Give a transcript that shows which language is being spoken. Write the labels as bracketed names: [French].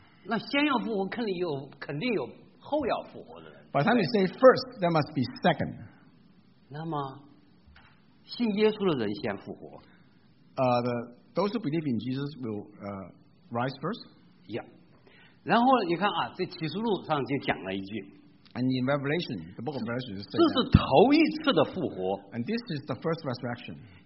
[Chinese] 那先要复活，肯定有后要复活的人。 [English] By the time you say first, there must be second. [Chinese] 那么，信耶稣的人先复活。 [English] Those who believe in Jesus will rise first. Yeah. [Chinese] 然后你看啊，这启示录上就讲了一句。 [English] And in Revelation, the book of Revelation says. [Chinese] 这是头一次的复活。 [English] And this is the first resurrection.